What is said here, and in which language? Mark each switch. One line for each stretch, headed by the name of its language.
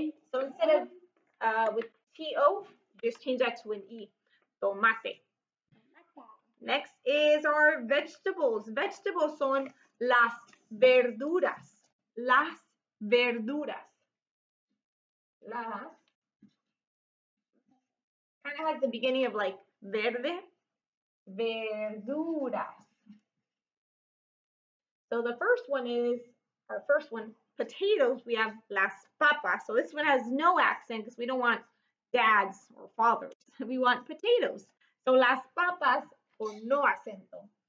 English: So instead of with T-O, just change that to an E. Tomate. Next is our vegetables.
Spanish: Vegetables son las verduras. Las verduras. Las.
English: Kind of has the beginning of like verde. Verduras. So the first one is, our first one, potatoes, we have las papas. So this one has no accent because we don't want dads or fathers. We want potatoes.
Spanish: So las papas con no acento.